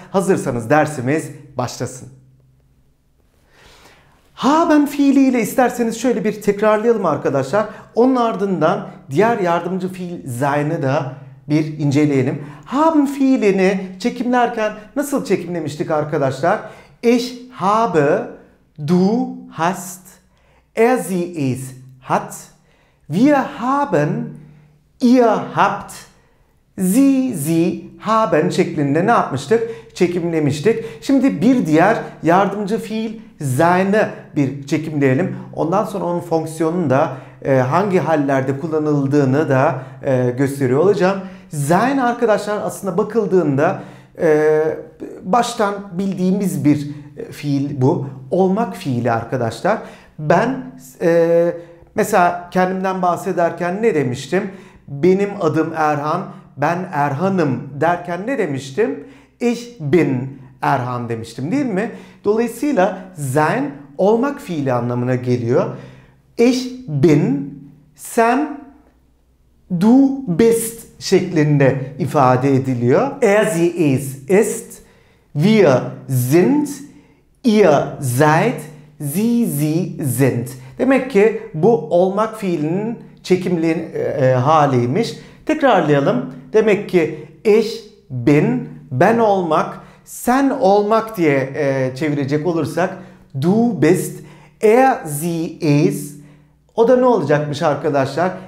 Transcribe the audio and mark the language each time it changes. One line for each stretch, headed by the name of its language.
Turkish: Hazırsanız dersimiz başlasın. Haben fiiliyle isterseniz şöyle bir tekrarlayalım arkadaşlar. Onun ardından diğer yardımcı fiil sein'i de bir inceleyelim. Haben fiilini çekimlerken nasıl çekimlemiştik arkadaşlar?
German: Ich habe, du hast, er sie es hat, wir haben, ihr habt, sie haben
Turkish: şeklinde ne yapmıştık? Çekimlemiştik. Şimdi bir diğer yardımcı fiil sein'i bir çekimleyelim. Ondan sonra onun fonksiyonunu da hangi hallerde kullanıldığını da gösteriyor olacağım. Sein arkadaşlar aslında bakıldığında baştan bildiğimiz bir fiil bu. Olmak fiili arkadaşlar. Ben mesela kendimden bahsederken ne demiştim? Benim adım Erhan. Ben Erhan'ım derken ne demiştim?
German: Ich bin Erhan
Turkish: demiştim, değil mi? Dolayısıyla sein olmak fiili anlamına geliyor.
German: Ich bin,
Turkish: sen,
German: du bist
Turkish: şeklinde ifade ediliyor.
German: Er sie es ist, wir sind, ihr seid, sie sind.
Turkish: Demek ki bu olmak fiilinin çekimli haliymiş. Tekrarlayalım. Demek ki
German: ich bin,
Turkish: ben olmak, sen olmak diye çevirecek olursak
German: du bist, er sie is,
Turkish: o da ne olacakmış arkadaşlar?